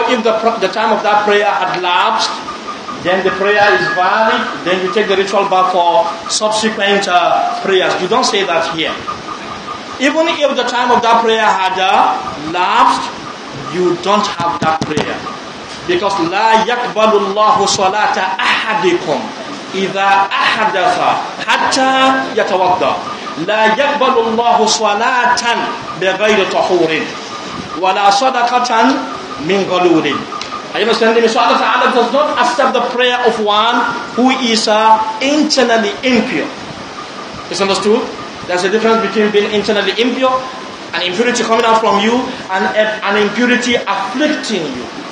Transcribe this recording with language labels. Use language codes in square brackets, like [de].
[en] If the time of that prayer had lapsed, then the prayer is valid. Then you take the ritual bath for subsequent prayers. You don't say that here. Even if the time of that prayer had lapsed, you don't have that prayer. Because [ar] لا يقبل الله صلاة أحدكم إذا أحدث حتى يتوضأ لا يقبل الله صلاة بغير طهور ولا صدقة من غلول. [en] Are you understanding me? So Allah Ta'ala does not accept the prayer of one who is internally impure. It's understood? There's a difference between being internally impure, an impurity coming out from you, and an impurity afflicting you.